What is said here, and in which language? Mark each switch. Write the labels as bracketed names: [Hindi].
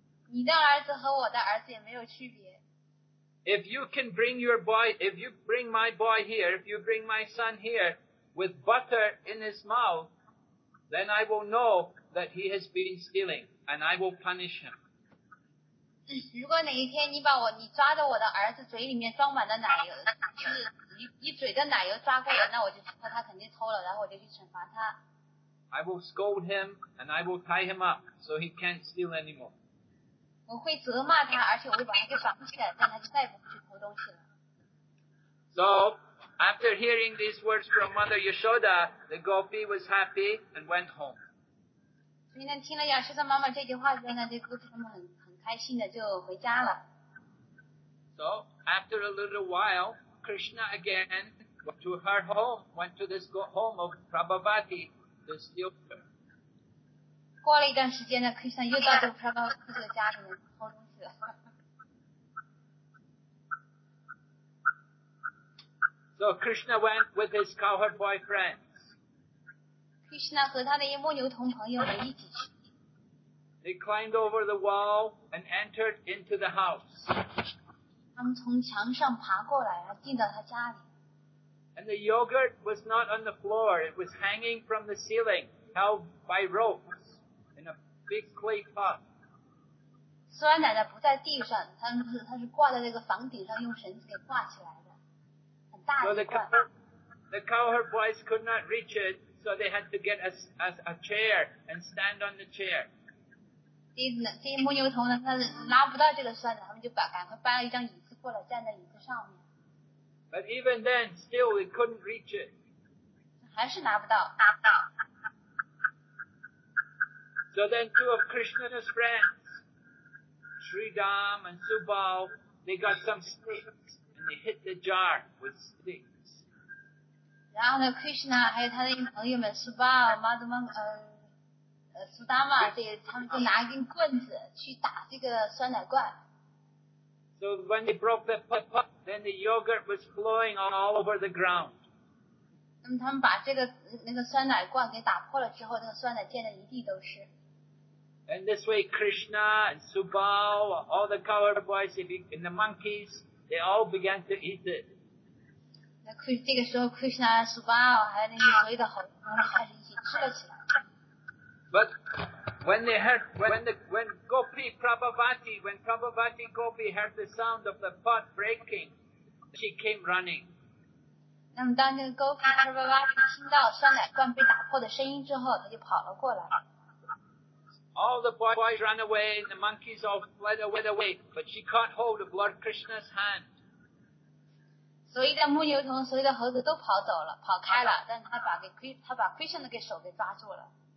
[Chinese] 你的儿子和我的儿子也没有区别。 [English] If you can bring your boy, if you bring my boy here, if you bring my son here with butter in his mouth, then I will know. That he has been stealing, and I will punish him. [Chinese] 如果哪一天你抓着我的儿子嘴里面装满的奶油，就是一嘴的奶油抓过来，那我就知道他肯定偷了，然后我就去惩罚他。 [English] I will scold him and I will tie him up so he can't steal anymore. [Chinese] 我会责骂他，而且我会把他给绑起来，让他就再也不去偷东西了。 [English] So, after hearing these words from Mother Yashoda, the Gopi was happy and went home. [Chinese] 今天听了亚瑟的妈妈这句话之后呢，这个他们很开心的就回家了。 [English] So after a little while, Krishna again went to her home, went to this home of Prabhavati to steal her. [Chinese] 过了一段时间呢 ，Krishna 又到这个 Prabhavati 这个家里面偷东西了。 [English] So Krishna went with his cowherd boyfriend. [Chinese] Krishna 和他的牧牛童朋友们一起去。 [English] They climbed over the wall and entered into the house. [Chinese] 他们从墙上爬过来，然后进到他家里。 [English] And the yogurt was not on the floor; it was hanging from the ceiling, held by ropes in a big clay pot. [Chinese] 酸奶呢不在地上，它是挂在那个房顶上，用绳子给挂起来的，很大一罐。 [English] The cowherd boys could not reach it. So they had to get a chair and stand on the chair. [Chinese] 这些牧牛童呢，他拉不到这个酸奶，他们就赶快搬了一张椅子过来，站在椅子上面。 [English] But even then, still they couldn't reach it. [Chinese] 还是拿不到。 [English] So then two of Krishna's friends, Sri Dham and Subal, they got some sticks and they hit the jar with sticks. [Chinese] 然后呢 ，Krishna 还有他的朋友们 ，Subal、Madhuman、苏丹嘛，这他们就拿一根棍子去打这个酸奶罐。 [English] So when they broke the pot, then the yogurt was flowing all over the ground. [Chinese] 那么他们把这个那个酸奶罐给打破了之后，那个酸奶溅的一地都是。 [English] And this way, Krishna and Subal, all the cowherd boys, and the monkeys, they all began to eat it. [Chinese] 那这个时候 ，Krishna、Subal 还有那些所有的猴子开始一起吃了起来。 [English] But when they heard, when Gopi Prabhavati, when Prabhavati Gopi heard the sound of the pot breaking, she came running. [Chinese] 那么当那个 Gopi Prabhavati 听到酸奶罐被打破的声音之后，他就跑了过来。 [English] All the boys ran away, and the monkeys all fled away, but she caught hold of Lord Krishna's hand. [Chinese] 所以在牧牛童所有的猴子都跑走了，跑开了，但他把给他把 Krishna 给手给抓住了。